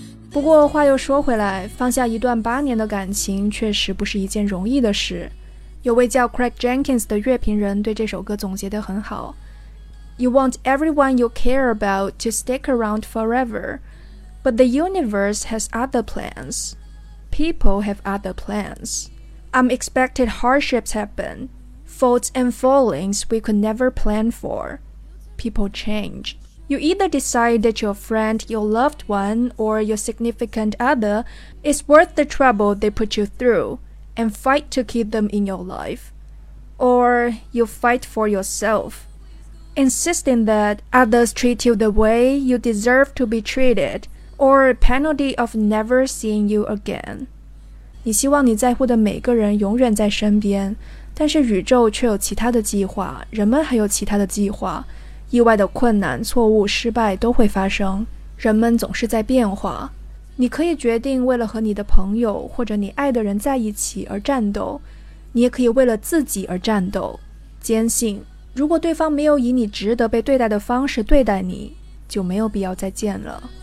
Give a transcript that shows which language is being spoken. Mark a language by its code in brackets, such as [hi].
[zh] 不过话又说回来，放下一段八年的感情确实不是一件容易的事。有位叫 Craig Jenkins 的乐评人对这首歌总结得很好。 [en] You want everyone you care about to stick around forever. But the universe has other plans. People have other plans. Unexpected hardships happen. Faults and fallings we could never plan for. People change. You either decide that your friend, your loved one, or your significant other is worth the trouble they put you through and fight to keep them in your life. Or you fight for yourself. Insisting that others treat you the way you deserve to be treated, or a penalty of never seeing you again. [zh] 你希望你在乎的每个人永远在身边，但是宇宙却有其他的计划，人们还有其他的计划，意外的困难、错误、失败都会发生，人们总是在变化。你可以决定为了和你的朋友或者你爱的人在一起而战斗，你也可以为了自己而战斗，坚信如果对方没有以你值得被对待的方式对待你，就没有必要再见了。